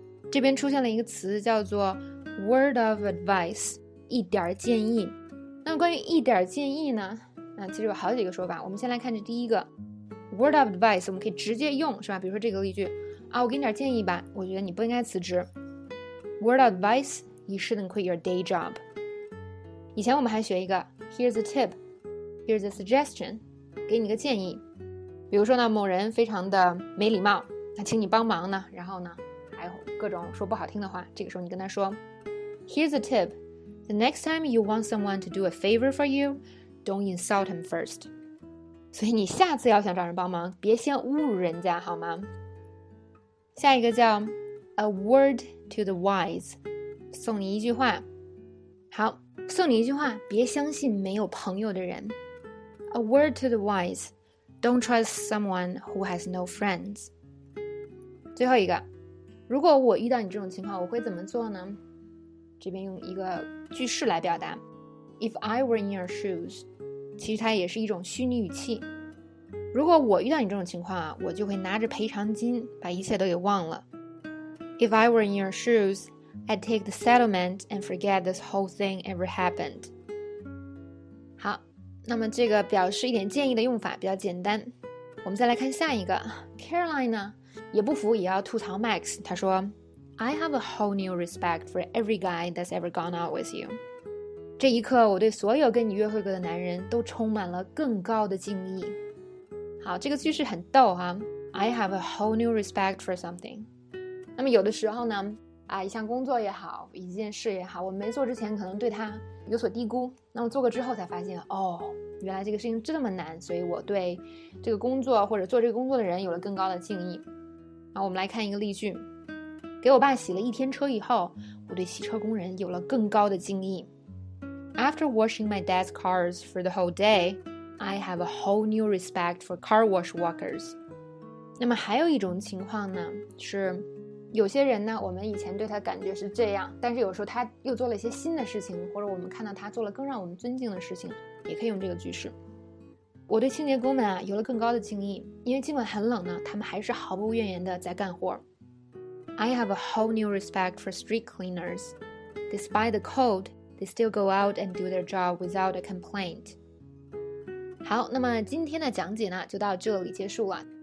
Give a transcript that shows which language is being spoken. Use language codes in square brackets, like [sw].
[zh] 这边出现了一个词叫做 [en] word of advice， [zh] 一点建议。那关于一点建议呢，其实有好几个说法。我们先来看这第一个 [en] word of advice， [zh] 我们可以直接用，是吧？比如说这个例句啊，我给你点建议吧，我觉得你不应该辞职。 [en] word of advice， you shouldn't quit your day job。 [zh] 以前我们还学一个 [en] here's a tip， here's a suggestion， [zh] 给你个建议。比如说呢，某人非常的没礼貌，他请你帮忙呢，然后呢还有各种说不好听的话，这个时候你跟他说 [en] here's a tip，The next time you want someone to do a favor for you, don't insult him first. [zh] 所以你下次要想找人帮忙，别先侮辱人家，好吗？下一个叫 [en] A word to the wise， [zh] 送你一句话。好，送你一句话，别相信没有朋友的人。 [en] A word to the wise, don't trust someone who has no friends. [zh] 最后一个，如果我遇到你这种情况，我会怎么做呢？这边用一个句式来表达 [en] If I were in your shoes， [zh] 其实它也是一种虚拟语气。如果我遇到你这种情况，我就会拿着赔偿金把一切都给忘了。 [en] If I were in your shoes， I'd take the settlement and forget this whole thing ever happened。 [zh] 好，那么这个表示一点建议的用法比较简单。我们再来看下一个， Caroline 呢也不服，也要吐槽 Max。他说 [en] I have a whole new respect for every guy that's ever gone out with you. [zh] 这一刻我对所有跟你约会过的男人都充满了更高的敬意。好，这个句式很逗哈。 [en] I have a whole new respect for something. [zh] 那么有的时候呢，一项工作也好，一件事也好，我没做之前可能对他有所低估，那么做过之后才发现，哦，原来这个事情这么难，所以我对这个工作或者做这个工作的人有了更高的敬意。好，我们来看一个例句。给我爸洗了一天车以后，我对洗车工人有了更高的敬意。 [en] After washing my dad's cars for the whole day, I have a whole new respect for car wash workers. [zh] 那么还有一种情况呢，是有些人呢，我们以前对他感觉是这样，但是有时候他又做了一些新的事情，或者我们看到他做了更让我们尊敬的事情，也可以用这个句式。我对清洁工们啊，有了更高的敬意，因为尽管很冷呢，他们还是毫不怨言的在干活。 [en] I have a whole new respect for street cleaners. Despite the cold, they still go out and do their job without a complaint. [zh] 好，那么今天的讲解呢，就到这里结束了。